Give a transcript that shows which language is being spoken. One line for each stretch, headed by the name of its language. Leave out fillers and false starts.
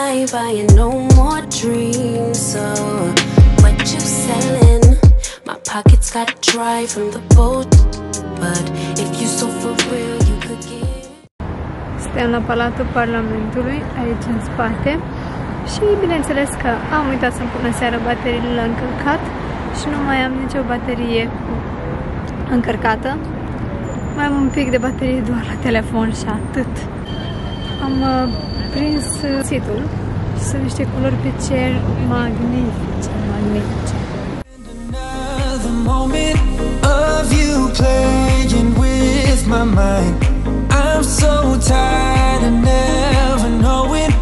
English: Buying no more dreams, so what you selling? My pockets got dry from the boat, but if you so for real, you could get.
Romanian: Stăm la Palatul Parlamentului, aici în spate, și bineînțeles că am uitat să-mi pun în seară bateriile la încărcat și nu mai am nicio baterie încărcată. Mai am un pic de baterie doar la telefon și atât. Am prins situl. Sunt niște culori pe cer magnifice, magnifice.
English: Another moment of you playing with my mind. I'm so tired of never knowing.